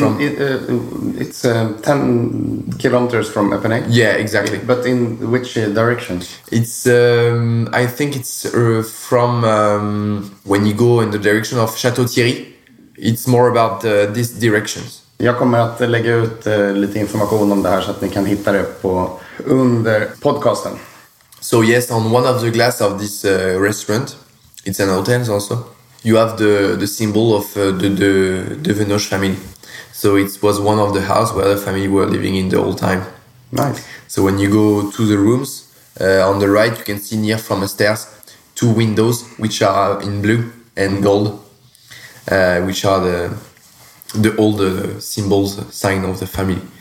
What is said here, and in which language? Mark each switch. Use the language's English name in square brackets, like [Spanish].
[English] from... It's 10 kilometers from Epernay? Yeah, exactly. But in which direction? It's... I think it's from... when you go in the direction of Château Thierry, it's more about these directions. [Swedish] Jag kommer att lägga ut lite information om det här så att ni kan hitta det på under podcasten. [English] So yes, on one of the glass of this restaurant, it's an hotel also, you have the symbol of the Venoche family. So it was one of the house where the family were living in the old time. Nice. So when you go to the rooms, on the right, you can see near from the stairs, two windows, which are in blue and gold, which are the old symbols, sign of the family.